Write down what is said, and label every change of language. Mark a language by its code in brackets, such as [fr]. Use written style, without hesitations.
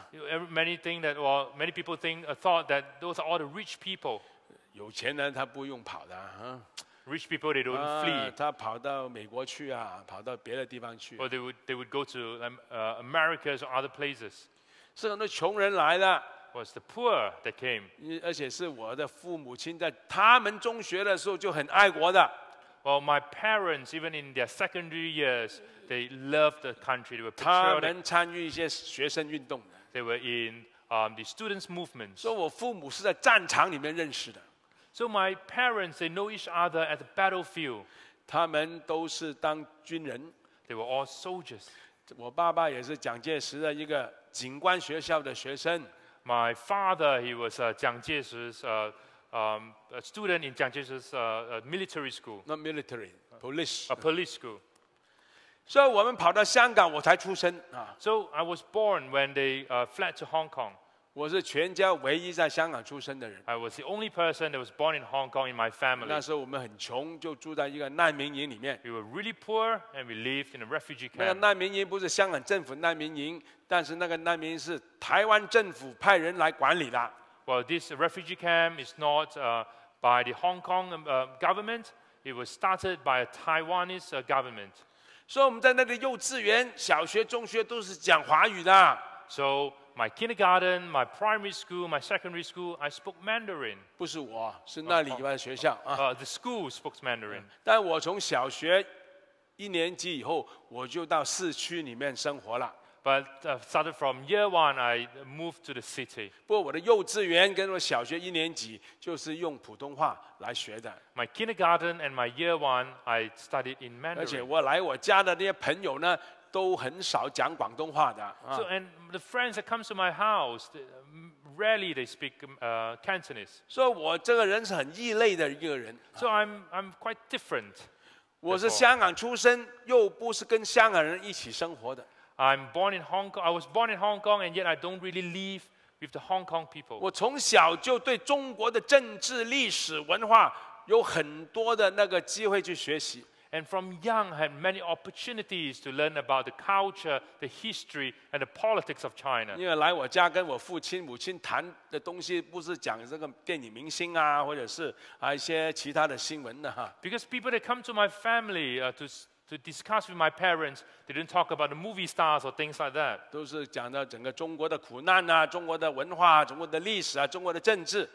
[en] Many people thought that those are all the rich people. [zh] 有钱人他不用跑的啊。 [en] Rich people they don't flee. [zh] 他跑到美国去啊，跑到别的地方去。 [en] Or they would go to America or other places. [zh] 是很多穷人来的。 [en] Was the poor that came? [zh] 而且是我的父母亲在他们中学的时候就很爱国的。 [en] Well, my parents, even in their secondary years, they loved the country. They were patriotic. [zh] 他们参与一些学生运动的。 [en] They were in the students' movements. [zh] 所以我父母是在战场里面认识的。 [en] So my parents, they know each other at the battlefield. [zh] 他们都是当军人。 [en] They were all soldiers. [zh] 我爸爸也是蒋介石的一个警官学校的学生。 [en] My father, he was Jiang Jieshi's a student in Jiang Jieshi's military school. Not military, police. A police school. [zh] So, 我们跑到香港，我才出生。 [en] So, I was born when they fled to Hong Kong. [zh] 我是全家唯一在香港出生的人。 [en] I was the only person that was born in Hong Kong in my family. [zh] 那时候我们很穷，就住在一个难民营里面。 [en] We were really poor and we lived in a refugee camp. [zh] 那个难民营不是香港政府难民营，但是那个难民是台湾政府派人来管理的。 [en] Well, this refugee camp is not by the Hong Kong government. It was started by a Taiwanese government. [zh] 所以我们在那个幼稚园、小学、中学都是讲华语的。 [en] So,My kindergarten, my primary school, my secondary school, I spoke Mandarin. [zh] 不是我，是那里边学校啊。 [en] The school spoke Mandarin. [zh] 但我从小学一年级以后，我就到市区里面生活了。 [en] But started from year one, I moved to the city. [zh] 不过我的幼稚园跟我小学一年级就是用普通话来学的。 [en] My kindergarten and my year one, I studied in Mandarin. [zh] 而且我来我家的那些朋友呢？都很少讲广东话的。 [en] So, and the friends that come to my house, rarely they speak Cantonese. [zh] So, 我这个人是很异类的一个人。 [en] So, I'm quite different. [zh] 我是香港出生，又不是跟香港人一起生活的。 [en] I'm born in Hong Kong. I was born in Hong Kong, and yet I don't really live with the Hong Kong people. [zh] 我从小就对中国的政治、历史、文化有很多的那个机会去学习。 [en] And from young, I had many opportunities to learn about the culture, the history, and the politics of China. [zh] 因为来我家跟我父亲、母亲谈的东西，不是讲这个电影明星啊，或者是啊一些其他的新闻的哈。 [en] Because people that come to my family to discuss with my parents, they didn't talk about the movie stars or things like that. [zh] 都是讲到整个中国的苦难啊，中国的文化、中国的历史啊，中国的政治。